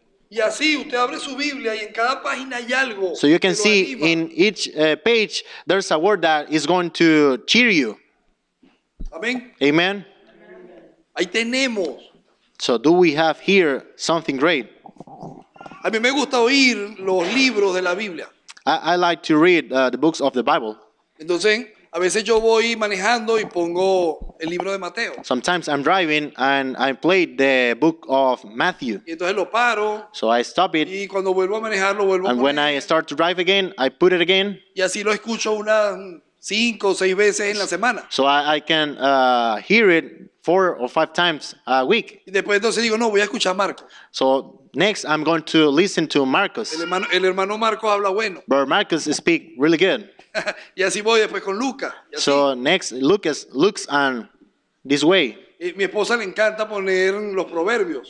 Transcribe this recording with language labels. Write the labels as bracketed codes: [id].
[es] Y así usted abre su Biblia y en cada página hay algo. [en] So you can see in each page there's a word that is going to cheer you. [es] Amén. [en] Amen. [es] Ahí tenemos. [en] So do we have here something great? [es] A mí me gusta oír los libros de la Biblia. [en] I like to read the books of the Bible. [es] Entonces, a veces yo voy manejando y pongo el libro de Mateo. [en] Sometimes I'm driving and I play the book of Matthew. [es] Y entonces lo paro. [en] So I stop it. [es] Y cuando vuelvo a manejar lo vuelvo [en] and [es] a poner. [en] And when I start to drive again, I put it again. [es] Y así lo escucho unas 5 o 6 veces en la semana. [en] So I can hear it 4 or 5 times a week. [es] Y después entonces digo, no, voy a escuchar a Marcos. [en] So next I'm going to listen to Marcos. [es] El hermano Marcos habla bueno. [en] But Marcos speak really good. [es] Y así voy después con Lucas. [en] So next Lucas and this way. [es] Y mi esposa le encanta poner los proverbios.